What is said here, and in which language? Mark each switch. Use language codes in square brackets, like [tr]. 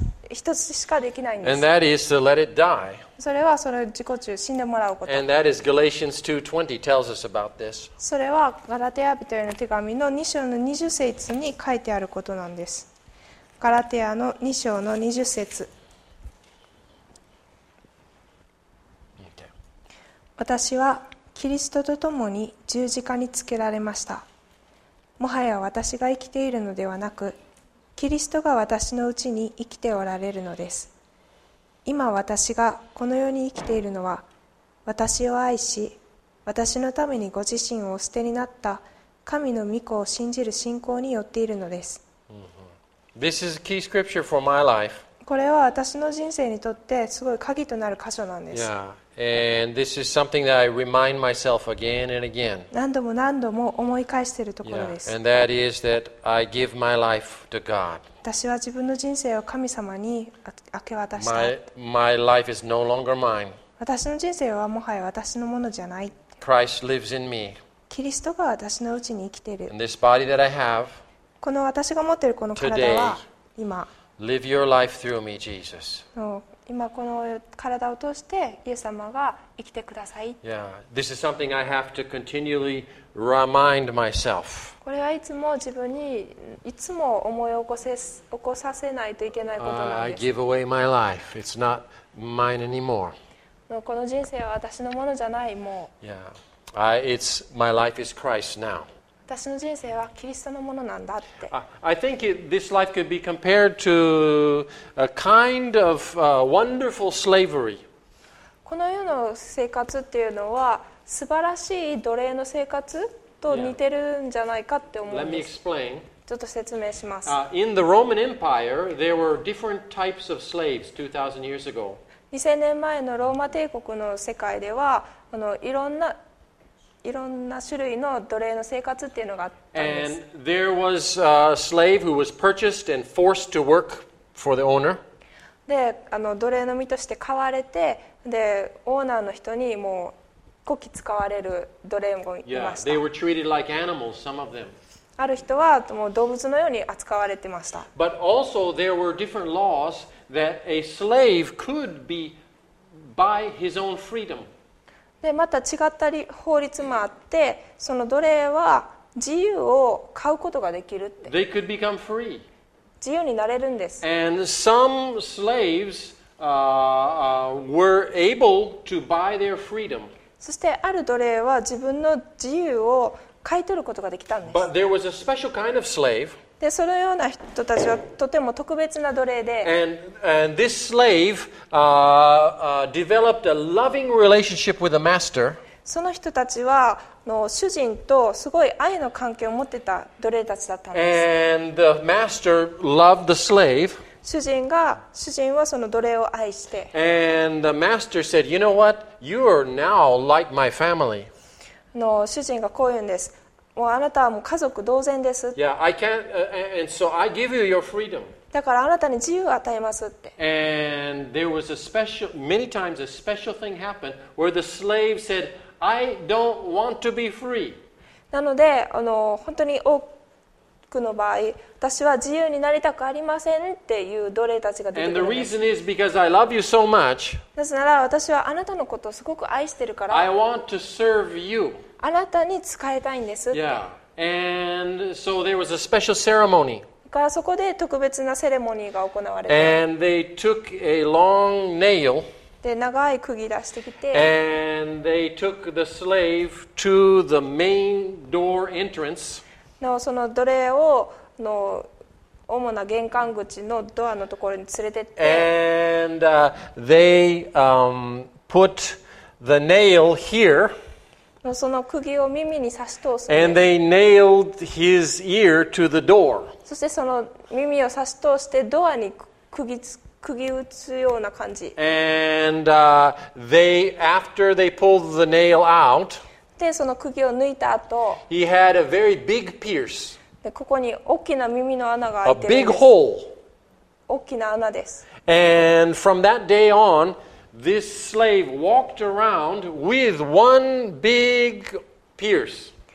[ja] 一つしかできないんです。それはその自己中死んでもらうこと。 [en] And that is Galatians 2:20 tells us about this. [ja] それはガラテヤ人への手紙の2章の20節に書いてあることなんです。ガラテヤの2章の20節。私はキリストと共に十字架につけられました。もはや私が生きているのではなく、キリストが私のうちに生きておられるのです。今私がこの世に生きているのは、私を愛し、私のためにご自身をお捨てになった神の御子を信じる信仰によっているのです。 [en] This is a key scripture for my life. [ja] これは私の人生にとってすごい鍵となる箇所なんです。 [en] And this is something that I remind myself again and again. [ja] 何度も何度も思い返しているところです。 [en] And that is that I give my life to God. [ja] 私は自分の人生を神様に明け渡した。 [en] My life is no longer mine. [ja] 私の人生はもはや私のものじゃない。 [en] Christ lives in me. [ja] キリストが私のうちに生きている。 [en] And this body that I have. [ja] この私が持っているこの体は [en] today, [ja] 今。 [en] Live your life through me, Jesus. [ja] 今この体を通してイエス様が生きてください。 [en] Yeah, this is something I have to continually remind myself. [ja] これはいつも自分にいつも思い起こさせないといけないことなんです。 [en] I give away my life. It's not mine anymore. [ja] この人生は私のものじゃないもう。 [en] Yeah, it's my life is Christ now. [ja] 私の人生はキリストのものなんだって。 [en] I think this life could be compared to a kind of wonderful slavery. [ja] この世の生活っていうのは素晴らしい奴隷の生活と似てるんじゃないかって思うんです。 [en] Let me explain. [ja] ちょっと説明します。 [en] In the Roman Empire, there were different types of slaves 2000 years ago. [ja] 2000年前のローマ帝国の世界では、いろんな種類の奴隷の生活っていうのがあったんです。 [en] And there was a slave who was purchased and forced to work for the owner. [ja] で、奴隷の身として買われて、で、オーナーの人にもうこき使われる奴隷もいました。 [en] Yeah, they were treated like animals, some of them. [ja] ある人はもう動物のように扱われてました。 [en] But also there were different laws that a slave could be by his own freedom. [ja] でまた違った法律もあってその奴隷は自由を買うことができるって [en] They could become free. [ja] 自由になれるんです [en] And some slaves, were able to buy their freedom. [ja] そしてある奴隷は自分の自由を買い取ることができたんです [en] But there was a special kind of slave. [ja] でそのような人たちはとても特別な奴隷で [en] and this slave, developed a loving relationship with the master. [ja] その人たちは主人とすごい愛の関係を持ってた奴隷たちだったんです [en] and the master loved the slave. [ja] 主人はその奴隷を愛して [en] and the master said, you know what? You are now like my family. [ja] 主人がこう言うんですもうあなたはもう家族同然です。 [en] Yeah, I can't, and so I give you your freedom. [ja] だからあなたに自由を与えますって。 [en] And there was a special, many times a special thing happened where the slave said, I don't want to be free. [ja] なので、本当に多くの場合、私は自由になりたくありませんっていう奴隷たちが出てくるんです。 [en] And the reason is because I love you so much. [ja] なぜなら私はあなたのことをすごく愛してるから。 [en] I want to serve you. [ja] あなたに使いたいんですって。 Yeah. [en] And so there was a special ceremony. [ja] だからそこで特別なセレモニーが行われて。 [en] And they took a long nail. [ja] で、長い釘出してきて。 [en] And they took the slave to the main door entrance. [ja] のその奴隷をの主な玄関口のドアのところに連れてって。 [en] And they put the nail here. [ja] その釘を耳に刺し通す。 [en] And they nailed his ear to the door. [ja] そしてその耳を刺し通してドアに釘打つような感じ。 [en] And they after they pulled the nail out. [ja] でその釘を抜いた後。 [en] He had a very big pierce. [ja] でここに大きな耳の穴が開いてるんです。 [en] A big hole. [ja] 大きな穴です。 [en] And from that day on. This slave walked around with one big pierce.